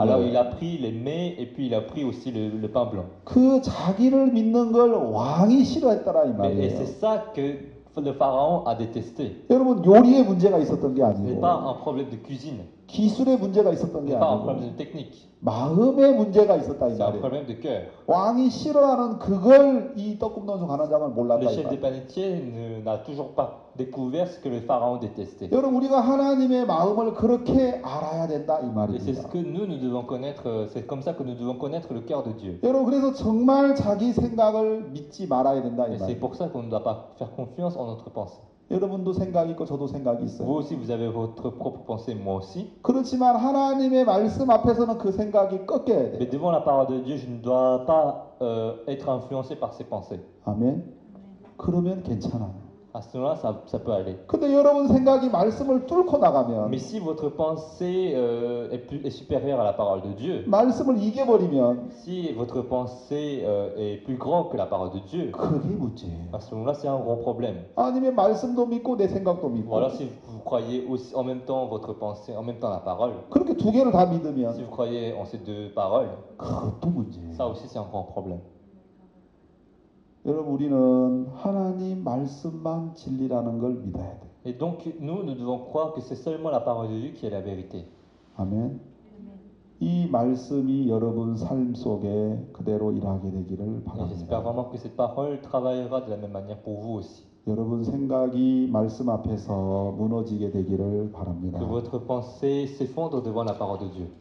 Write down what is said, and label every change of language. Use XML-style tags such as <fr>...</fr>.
<fr>Alors il a pris les mets et puis il a pris aussi le pain blanc.</fr> <ko>그 자기를 믿는 걸 왕이 싫어했더라 이 말이에요.</ko> <fr>Et c'est ça que le pharaon a détesté.</fr> <ko>여러분 요리에 문제가 있었던 게 아니고.</ko> <fr>C'est pas un problème de cuisine.</fr> <ko>기술에 문제가 있었던 게 아니고.</ko> <fr>C'est pas un problème de technique.</fr> <ko>마음의 문제가 있었다 이 말이에요.</ko> <fr>C'est un problème de cœur.</fr> <ko>왕이 싫어하는 그걸 이 떡 굽는 관원장은 몰랐다</ko> <fr>Le chef des panettiers n'a toujours pas découvert ce que le pharaon détestait.</fr> <ko>여러분 우리가 하나님의 마음을 그렇게 알아야 된다 이 말입니다.</ko> <fr>C'est ce que nous devons connaître, c'est comme ça que nous devons connaître le cœur de Dieu.</fr> <ko>여러분 그래서 정말 자기 생각을 믿지 말아야 된다 이 말.</ko> <fr>C'est pour ça qu'on ne doit pas faire confiance en notre pensée.</fr> <ko>여러분도 생각 있고 저도 생각 있어요.</ko> <fr>Vous aussi vous avez votre propre pensée, moi aussi.</fr> <ko>그렇지만 하나님의 말씀 앞에서는 그 생각이 꺾여야 돼.</ko> <fr>Mais devant la parole de Dieu, je ne dois pas être influencé par ses pensées.</fr> <ko>아멘. 그러면 괜찮아.</ko> <fr>À ce moment-là, ça peut aller.</fr> <ko>근데 여러분 생각이 말씀을 뚫고 나가면.</ko> <fr>Mais si votre pensée est supérieure à la parole de Dieu.</fr> <ko>말씀을 이겨버리면.</ko> <fr>Si votre pensée est plus grand que la parole de Dieu.</fr> <ko>그게 문제예요.</ko> <fr>À ce moment-là, c'est un gros problème.</fr> <ko>아니면 말씀도 믿고 내 생각도 믿고.</ko> <fr>Voilà, si vous croyez aussi en même temps votre pensée, en même temps la parole.</fr> <ko>그렇게 두 개를 다 믿으면.</ko> <fr>Si vous croyez en ces deux paroles.</fr> <ko>그것도 문제예요.</ko> <fr>Ça aussi, c'est un grand problème.</fr> <ko>여러분 우리는 하나님 말씀만 진리라는 걸 믿어야 돼.</ko> <fr>Et donc nous devons croire que c'est seulement la parole de Dieu qui est la vérité.</fr> <ko>아멘. 이 말씀이 여러분 삶 속에 그대로 일하게 되기를 바랍니다.</ko> <fr>J'espère vraiment que cette parole travaillera de la même manière pour vous aussi.</fr> <ko>여러분 생각이 말씀 앞에서 무너지게 되기를 바랍니다.</ko> <fr>Que votre pensée s'effondre devant la parole de Dieu.</fr>